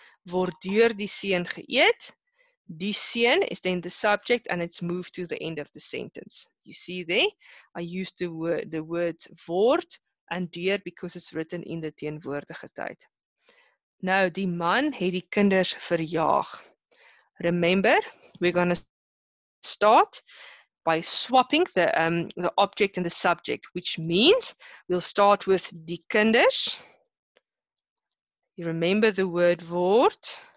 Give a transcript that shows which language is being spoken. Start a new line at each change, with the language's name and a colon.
Afrikaans: Word deur die seun geëet. Die seun is
English: then the subject, and it's moved to the end of the sentence. You see there, I used the word word and deur because it's written in the teenwoordige tyd. Now,
Afrikaans: die man het die kinders verjaag.
English: Remember, we're going to start by swapping the object and the subject, which means we'll start with die kinders. You remember the word word.